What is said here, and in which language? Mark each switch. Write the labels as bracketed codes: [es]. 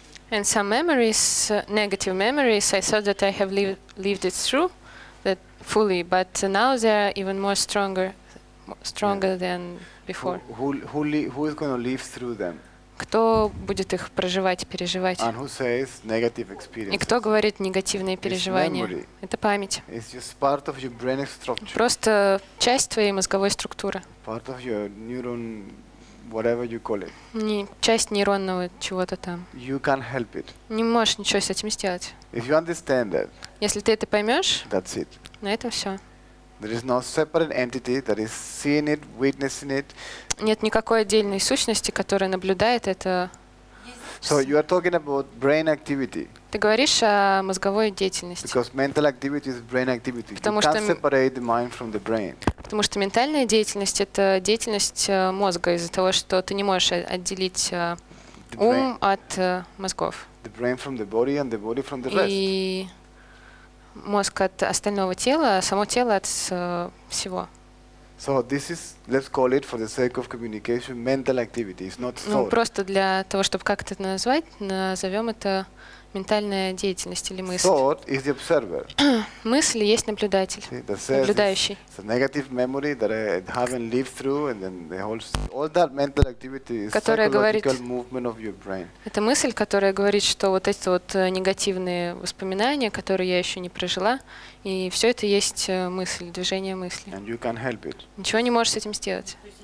[en] And some memories, negative memories, I thought that I have lived it through, that fully. But now they are even more stronger yeah. than before. Who is going to live through them? [ru] Кто будет их проживать, переживать? [en] And who says negative experiences? [ru] И кто говорит негативные переживания? Это память. [en] It's just part of your brain structure. [ru] Просто часть твоей мозговой структуры. [en] Part of your neuron. Whatever you call it. [ru] Не часть нейронного чего-то там. [en] You can't help it. [ru] Не можешь ничего с этим сделать. [en] If you understand that. [ru] Если ты это поймешь. [en] That's it. [ru] На этом все. [en] There is no separate entity that is seeing it, witnessing it. [ru] Нет никакой отдельной сущности, которая наблюдает это. [en] So you are talking about brain activity. [ru] Ты говоришь о мозговой деятельности. [en] Because mental activity is brain activity. [ru] Потому [en] you can't separate the mind from the brain. [ru] Потому что ментальная деятельность – это деятельность мозга из-за того, что ты не можешь отделить ум от мозгов. [en] The brain from the body and the body from the rest. [ru] И мозг от остального тела, а само тело от всего. [en] So this is, let's call it for the sake of communication, mental activity. It's not thought. [ru] Ну просто для того, чтобы как это назвать, назовем это ментальная деятельность или мысль. [en] Thought is the observer. [ru] Мысль есть наблюдатель. [en] See, that says [ru] наблюдающий. [en] It's a negative memory that I haven't lived through, and then the whole all that mental activity is psychological movement of your brain. [ru] Это мысль, которая говорит, что вот эти вот негативные воспоминания, которые я еще не прожила, и все это есть мысль, движение мысли. [en] And you can't help it. [ru] Ничего не можешь с этим сделать.